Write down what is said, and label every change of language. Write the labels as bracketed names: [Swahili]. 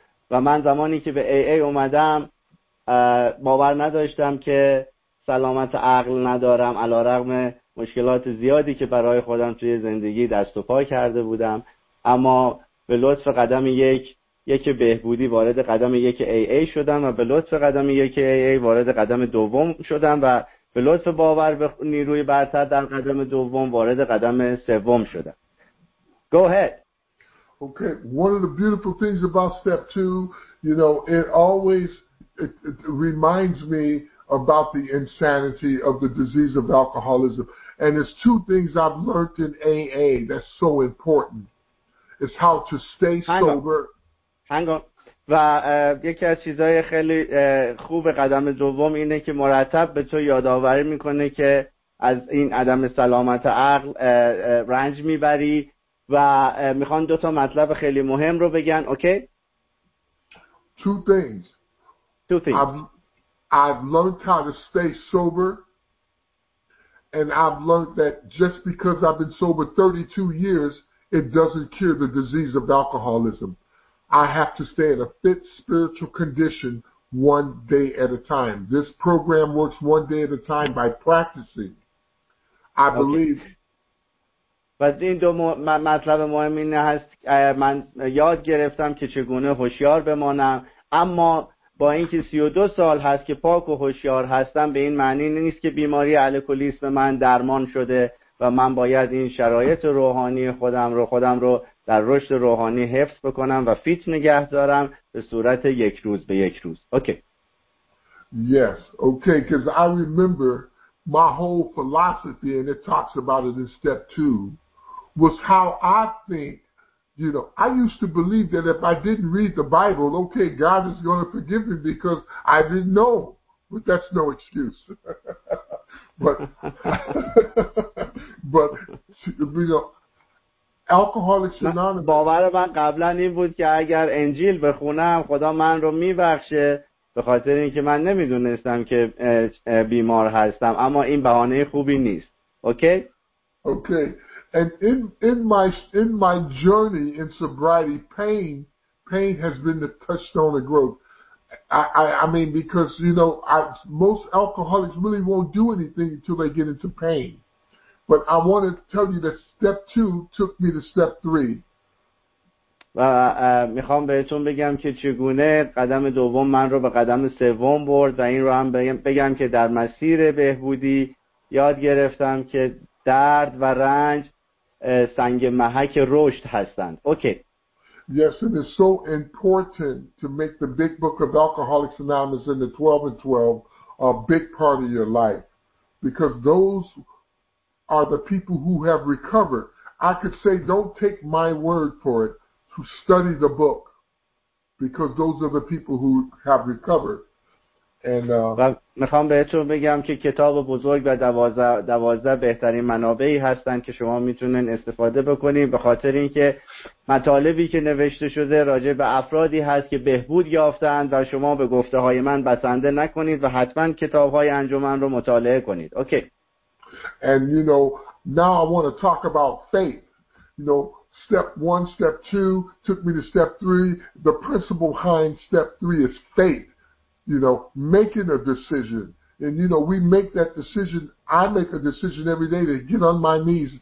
[Persian] و من زمانی که به AA اومدم باور نداشتم که سلامت عقل ندارم، علارغم مشکلات زیادی که برای خودم توی زندگی دست و پا کرده بودم، اما به لطف قدم یک بهبودی وارد قدم یک AA شدم و به لطف قدم یک AA وارد قدم دوم شدم و به لطف باور به نیروی برتر در قدم دوم وارد قدم سوم شدم. [English] Go ahead. Okay, one of the beautiful things about step 2, you know, it always reminds me about the insanity of the disease of alcoholism, and it's two things I've learned in AA that's so important. It's how to stay sober. [Persian] هنگام و یکی از چیزهای خیلی خوب قدم دوم اینه که مرتب به تو یادآوری میکنه که از این عدم سلامت عقل رنج میبری و میخوان دو تا مطلب خیلی مهم رو بگن. [English] Okay? Two things. I've learned how to stay sober, and I've learned that just because I've been sober 32 years, it doesn't cure the disease of alcoholism. I have to stay in a fit spiritual condition one day at a time. This program works one day at a time by practicing. I believe. But [Persian] این دو مطلب مهم اینه هست. من یاد گرفتم که چگونه هوشیار بمانم. اما با اینکه 32 سال هست که پاک و هوشیار هستم، به این معنی نیست که بیماری الکلیسم من درمان شده و من باید این شرایط روحانی خودم رو در رشد روحانی حفظ بکنم و فیت نگه دارم به صورت یک روز به یک روز. [English] Okay. Yes. Okay, cuz I remember my whole philosophy, and it talks about it in step 2, was how I think, you know, I used to believe that if I didn't read the Bible, okay, God is going to forgive me because I didn't know. But that's no excuse. But you know, Alcoholics Anonymous. [Persian] باور من قبلا این بود که اگر انجیل بخونم خدا من رو میبخشه، به خاطر اینکه من نمیدونستم که بیمار هستم، اما این بهانه خوبی نیست. [English] Okay. And in my journey in sobriety, pain has been the touchstone of growth. I mean, because, you know, most alcoholics really won't do anything until they get into pain. But I want to tell you that step 2 took me to step 3. [Persian] و میخوام بهتون بگم که چگونه قدم دوم من رو به قدم سوم برد، و این رو هم بگم که در مسیر بهبودی یاد گرفتم که درد و رنج سنگ محک رشد هستند. [English] Okay. Yes, and it's so important to make the big book of Alcoholics Anonymous in the 12 and 12 a big part of your life, because those are the people who have recovered. I could say, don't take my word for it, to study the book, because those are the people who have recovered. And [Persian] میخوام بهتون بگم که کتاب بزرگ و 12 بهترین منابعی هستن که شما میتونن استفاده بکنید، به خاطر اینکه مطالبی که نوشته شده راجع به افرادی هست که بهبود یافتن و شما به گفته های من بسنده نکنید و حتما کتاب های انجمن رو مطالعه کنید. [English] Okay. And you know, now I want to talk about faith. You know, step 1, step 2 took me to step 3. The principle behind step 3 is faith. You know, making a decision. And, you know, we make that decision. I make a decision every day to get on my knees.